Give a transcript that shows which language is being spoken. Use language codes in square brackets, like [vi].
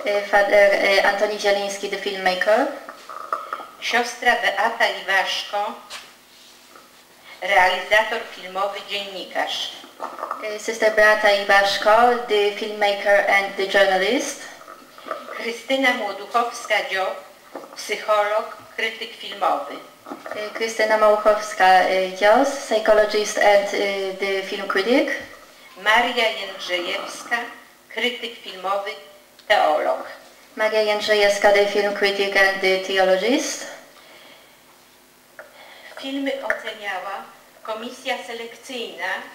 [en] Father Antoni Zieliński, the filmmaker. [pl] Siostra Beata Iwaszko, realizator filmowy, dziennikarz. [en] Sister Beata Iwaszko, the filmmaker and the journalist. [pl] Krystyna Młoduchowska-Dziob, psycholog, krytyk filmowy. [en] Krystyna Małuchowska-Dzios, psychologist and the film critic. [pl] Maria Jędrzejewska, krytyk filmowy, teolog. [en] Maria Jędrzejewska, the film critic and the theologist. [pl] Filmy oceniała komisja selekcyjna.